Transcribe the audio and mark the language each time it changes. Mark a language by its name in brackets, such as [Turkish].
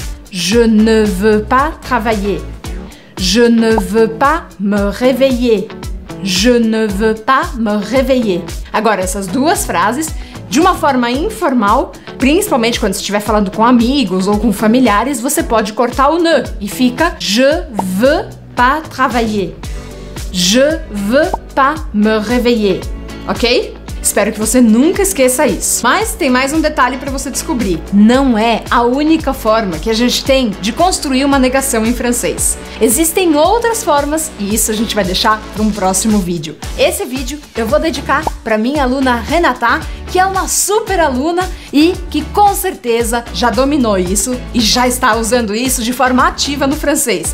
[French] Je ne veux pas travailler. Je ne veux pas me réveiller. Je ne veux pas me réveiller. [Portuguese] Agora, essas duas frases, de uma forma informal, principalmente quando você estiver falando com amigos ou com familiares, você pode cortar o ne e fica [French] je veux pas travailler. Je veux pas me réveiller. [Portuguese] Ok? Espero que você nunca esqueça isso. Mas tem mais um detalhe para você descobrir. Não é a única forma que a gente tem de construir uma negação em francês. Existem outras formas e isso a gente vai deixar para um próximo vídeo. Esse vídeo eu vou dedicar para minha aluna Renata, que é uma super aluna e que com certeza já dominou isso e já está usando isso de forma ativa no francês.